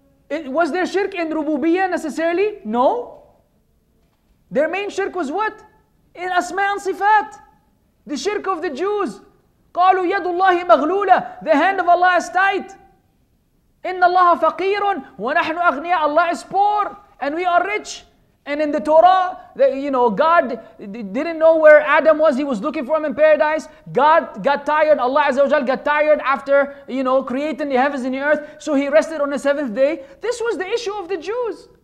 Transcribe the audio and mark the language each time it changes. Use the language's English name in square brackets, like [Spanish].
[English] Was there shirk in rububiyyah necessarily? No. Their main shirk was what? In asma' and sifat. The shirk of the Jews. [Arabic] قالوا يد الله مغلولة. [English] The hand of Allah is tight. [Arabic] إن الله فقير ونحن أغنياء. [English] Allah is poor and we are rich. And in the Torah, God didn't know where Adam was. He was looking for him in paradise. God got tired. Allah Azza wa Jal got tired after, creating the heavens and the earth. So he rested on the seventh day. This was the issue of the Jews.